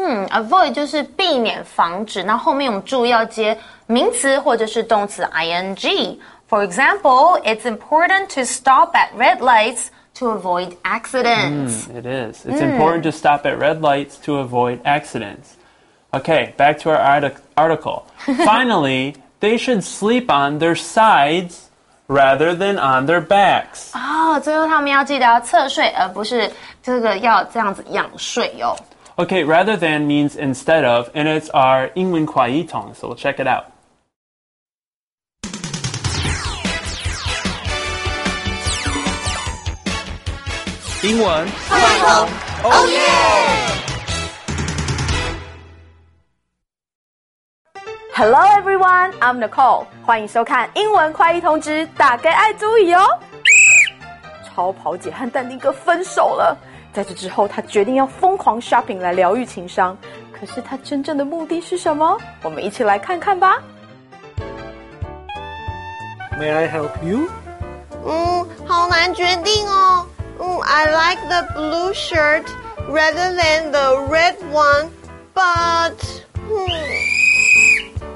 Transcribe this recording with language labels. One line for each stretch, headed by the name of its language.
Chinese: Avoid 就是避免防止那后面我们注意要接名词或者是动词 ing
English: For example, it's important to stop at red lights to avoid accidents It is, it's important to stop at red lights to avoid accidents Okay, back to our article Finally, they should sleep on their sides rather than on their backs
Chinese: 最后他们要记得要侧睡而不是这个要这样子仰睡哦
English: Okay, rather than means instead of, and it's our 英文快译通, so we'll check it out. Oh yeah! Hello everyone, I'm Nicole.
Chinese: 欢迎收看英文快译通之打给爱注意哦。超跑姐和但丁哥分手了。在这之后他决定要疯狂 shopping 来疗愈情伤可是他真正的目的是什么我们一起来看看吧
English: May I help you?
Chinese: 好难决定哦
English: I like the blue shirt rather than the red one but